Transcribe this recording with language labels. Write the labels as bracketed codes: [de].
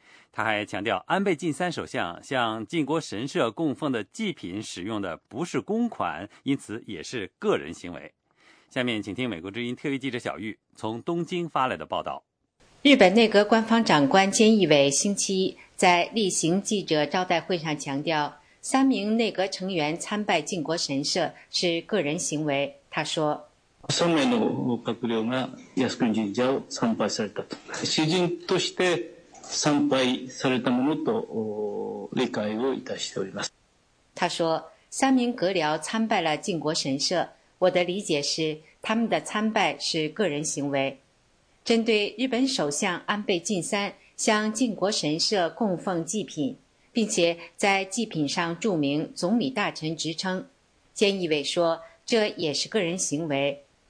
[zh] 他还强调，安倍晋三首相向靖国神社供奉的祭品使用的不是公款，因此也是个人行为。下面请听美国之音特约记者小玉从东京发来的报道。日本内阁官方长官菅义伟星期一在例行记者招待会上强调，三名内阁成员参拜靖国神社是个人行为。他说， [ja] 3名の閣僚が靖国神社を参拝されたと、主人として参拝されたものと理解をいたしております。 [zh] 他说，三名阁僚参拜了靖国神社，我的理解是他们的参拜是个人行为。针对日本首相安倍晋三向靖国神社供奉祭品，并且在祭品上注明总理大臣职称，菅义伟说这也是个人行为。